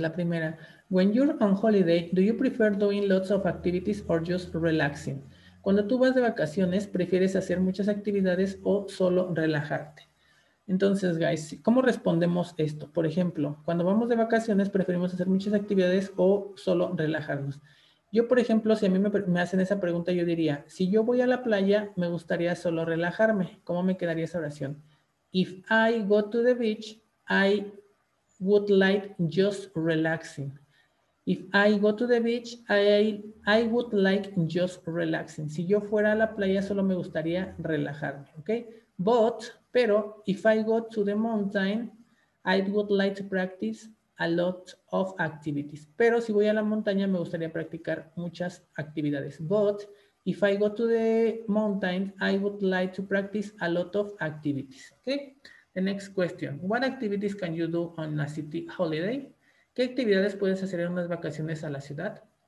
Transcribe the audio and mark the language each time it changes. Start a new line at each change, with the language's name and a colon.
Spanish: La primera,
English: when you're on holiday, do you prefer doing lots of activities or just relaxing?
Spanish: Cuando tú vas de vacaciones, ¿prefieres hacer muchas actividades o solo relajarte? Entonces, guys, ¿cómo respondemos esto? Por ejemplo, cuando vamos de vacaciones, ¿preferimos hacer muchas actividades o solo relajarnos? Yo, por ejemplo, si a mí me hacen esa pregunta, yo diría, si yo voy a la playa, me gustaría solo relajarme. ¿Cómo me quedaría esa oración?
English: If I go to the beach, I would like just relaxing. If I go to the beach, I would like just relaxing.
Spanish: Si yo fuera a la playa, solo me gustaría relajarme, ¿ok? Pero,
English: if I go to the mountain, I would like to practice a lot of activities.
Spanish: Pero si voy a la montaña, me gustaría practicar muchas actividades.
English: But if I go to the mountain, I would like to practice a lot of activities. Okay. The next question. What activities can you do on a city holiday?
Spanish: ¿Qué actividades puedes hacer en unas vacaciones a la ciudad?